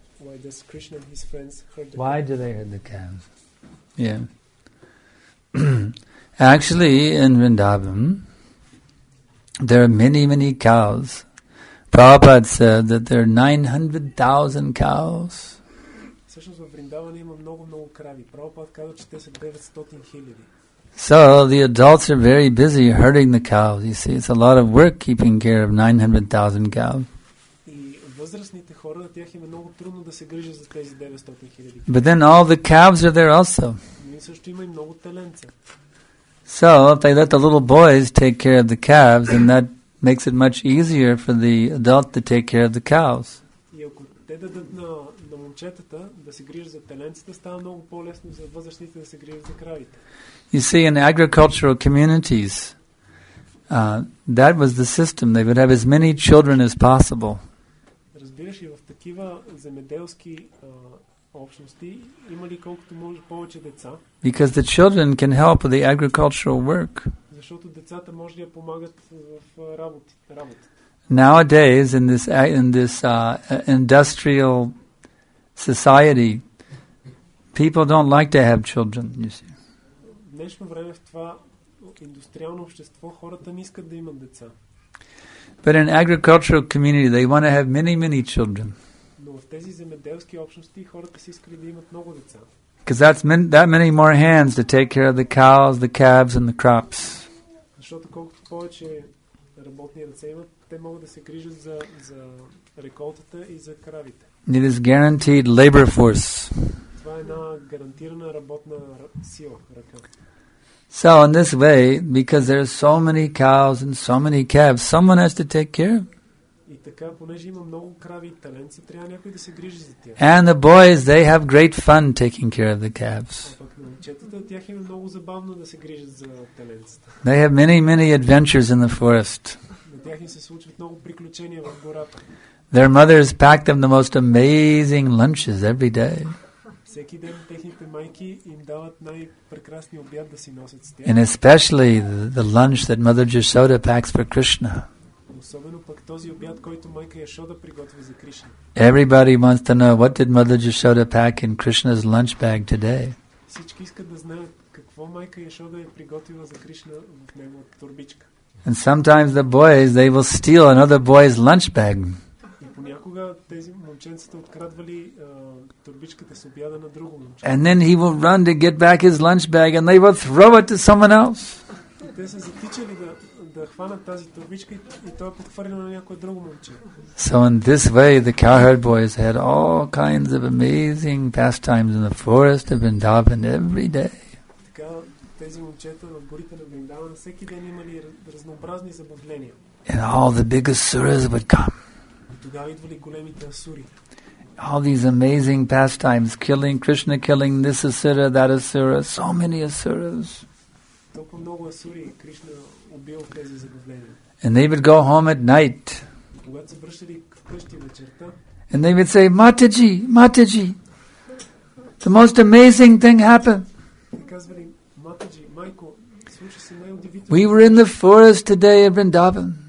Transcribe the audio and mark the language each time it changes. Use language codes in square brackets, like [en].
[en] Why does Krishna and his friends herd the calves? Why do they herd the calves? Yeah. Actually, in Vrindavan, there are many, many cows. Prabhupada said that there are 900,000 cows. [bg] Всъщност във Вриндаван има много, много крави. Прабхупада казва, че те са 900 хиляди. [en] So the adults are very busy herding the cows. You see, it's a lot of work keeping care of 900,000 cows. [bg] И възрастните хора, на тях им е много трудно да се грижат за тези 900 хиляди. [en] But then all the calves are there also. [bg] И също има и много теленца. [en] So if they let the little boys take care of the calves, then that makes it much easier for the adult to take care of the cows. [bg] И ако те дадат на момчетата да се грижат за теленцата, става много по-лесно за възрастните да се грижат за кравите. [en] You see, in agricultural communities, that was the system. They would have as many children as possible. [bg] Разбираш ли, в такива земеделски общности има ли колкото може повече деца? [en] Because the children can help with the agricultural work. [bg] Защото децата може да помагат в работата. [en] Nowadays, in this industrial society, people don't like to have children, you see. [bg] В днешно време в това индустриално общество хората не искат да имат деца. [en] But in agricultural community they want to have many, many children. [bg] Но в тези земеделски общности хората си искали да имат много деца. [en] Because that's that many more hands to take care of the cows, the calves and the crops. [bg] Защото колкото повече работни ръце имат, те могат да се грижат за реколтата и за кравите. [en] It is guaranteed labor force. [bg] Това е една гарантирана работна сила, ръка. [en] So in this way, because there are so many cows and so many calves, someone has to take care of. [bg] И така, понеже има много крави и теленци, трябва някой да се грижи за тях. [en] And the boys, they have great fun taking care of the calves. [bg] Момчетата, тях им е много забавно да се грижат за теленцата. [en] They have many, many adventures in the forest. [bg] На тях им се случват много приключения в гората. [en] Their mothers pack them the most amazing lunches every day. [bg] Всеки ден техните майки им дават най-прекрасни обяд да си носят с тях. [en] And especially the lunch that Mother Jashoda packs for Krishna. [bg] Особено пък този обяд, който майка Яшода приготви за Кришна. [en] Everybody wants to know what did Mother Jashoda pack in Krishna's lunch bag today. [bg] Всички искат да знаят какво майка Яшода е приготвила за Кришна в неговата турбичка. [en] And sometimes the boys, they will steal another boy's lunch bag. [bg] Понякога тези момченцата открадвали турбичката с обяда на друго момче. [en] And then he will run to get back his lunch bag and they will throw it to someone else. [bg] Те се затичали да хванат тази турбичка и той е подхвърлено на някое друго момче. [en] So in this way the cowherd boys had all kinds of amazing pastimes in the forest of Vrindavan every day. [bg] Така тези момчета в горите на Вриндаван всеки ден имали разнообразни забавления. [en] And all the big asuras would come. [bg] Тогава идвали големите асури. [en] All these amazing pastimes, killing Krishna, killing this asura, that asura, so many asuras. [bg] Толкова много асури Кришна убил в тези забавления. [en] And they would go home at night. [bg] Когато се връщали вкъщи вечерта. [en] And they would say, Mataji, Mataji, the most amazing thing happened. [bg] И казвали, Mataji, майко, случи се най-удивително. [en] We were in the forest today of Vrindavan.